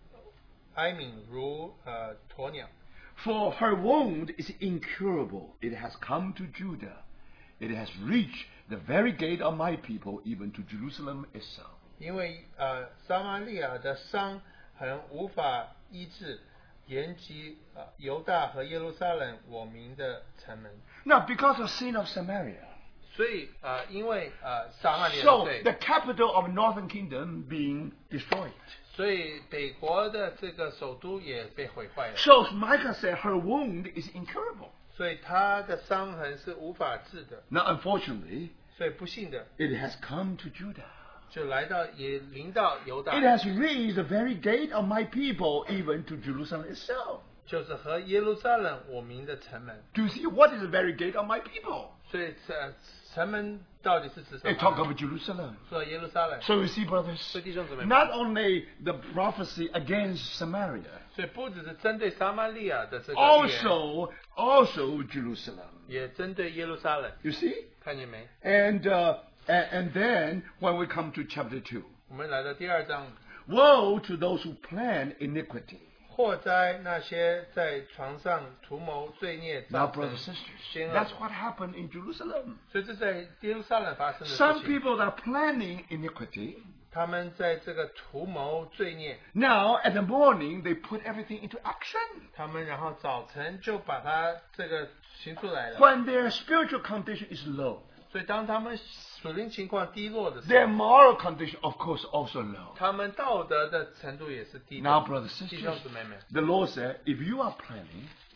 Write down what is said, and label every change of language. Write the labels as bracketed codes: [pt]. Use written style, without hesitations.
[zh] 所以先知说,因此我必大声哀嚎,脚踏肉体而行,又要呼号如野狗,哀鸣如鸵鸟。 [en] For her wound is incurable. It has come to Judah. It has reached the very gate of my people, even to Jerusalem itself. [zh] 因为撒玛利亚的伤痕无法医治，延及犹大和耶路撒冷我民的城门。 [en] Now, because of sin of Samaria, [zh] 所以因为撒玛利亚， [en] so the capital of northern kingdom being destroyed. [zh] 所以北国的这个首都也被毁坏了。 [en] So Micah said her wound is incurable. [zh] 所以他的伤痕是无法治的。 [en] Now, unfortunately, [zh] 所以不幸的, [en] it has come to Judah. [zh] 就来到也临到犹大。 [en] It has reached the very gate of my people, even to Jerusalem itself. [zh] 就是和耶路撒冷我民的城门。 [en] Do you see what is the very gate of my people? [zh] 所以城门到底是指什么? [en] It talk of Jerusalem. [zh] 说耶路撒冷。 [en] So you see, brothers, [zh] 所以弟兄姊妹, [en] not only the prophecy against Samaria, [zh] 所以不只是针对撒玛利亚的这个言, [en] also Jerusalem. [zh] 也针对耶路撒冷。 [en] You see? [zh] 看见没? [en] And then when we come to chapter 2, [zh] 我们来到第二章, [en] woe to those who plan iniquity. [zh] 祸灾那些在床上图谋罪孽造成, [en] now, brothers and sisters, that's what happened in Jerusalem. [zh] 所以这在耶路撒冷发生的事情, [en] some people are planning iniquity. [zh] 他们在这个图谋罪孽, [en] now, at the morning, they put everything into action. [zh] 他们然后早晨就把它这个行出来了, [en] when their spiritual condition is low, [zh] 所以当他们属灵情况低落的时候, [en] their moral condition, of course, also low. [zh] 他们道德的程度也是低落, [en] now, brothers and sisters, [zh] 弟兄姊妹们, [en] the Lord said, if you are planning,